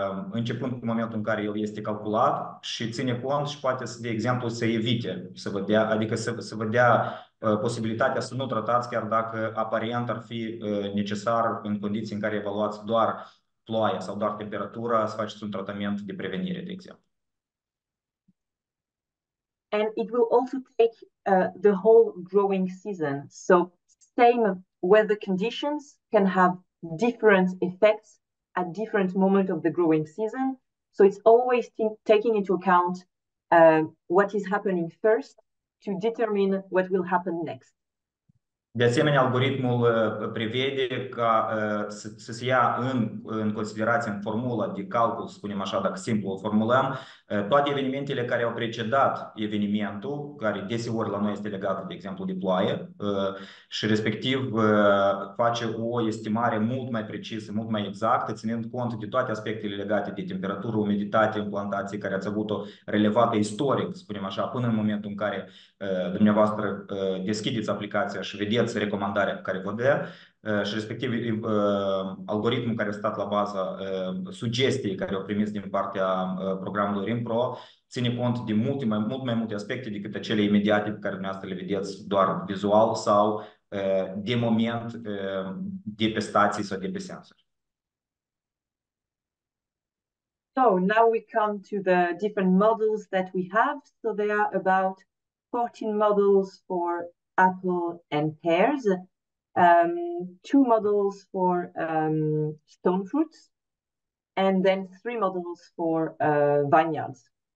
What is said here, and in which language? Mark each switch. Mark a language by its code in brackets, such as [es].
[ro] începând cu momentul în care el este calculat și ține cont și poate să, de exemplu, să evite, să vă dea, adică să vă dea posibilitatea să nu tratați chiar dacă aparent ar fi necesar în condiții în care evaluați doar ploaia sau doar temperatura, să faceți un tratament de prevenire, de exemplu. [en] And it will also take the whole growing season. So same weather conditions can have different effects at different moments of the growing season. So it's always taking into account what is happening first to determine what will happen next. [ro] De asemenea, algoritmul prevede ca să se ia în considerație, în formula de calcul, spunem așa, dacă simplu o formulăm, toate evenimentele care au precedat evenimentul, care deseori la noi este legat, de exemplu, de ploaie, și respectiv face o estimare mult mai precisă, mult mai exactă, ținând cont de toate aspectele legate de temperatură, umiditate, implantație, care ați avut-o relevată istoric, spunem așa, până în momentul în care dumneavoastră deschideți aplicația și vedeți recomandarea pe care vă dă și respectiv algoritmul care a stat la baza sugestiei care au primit din partea programului RIMPRO ține cont de mult mai multe aspecte decât acele imediate pe care dumneavoastră le vedeți doar vizual sau de moment de pe stații sau de pe sensori. [en] So now we come to the different models that we have. So there are about 14 models for Apple and pears, two models for stone fruits, and then three models for vineyards.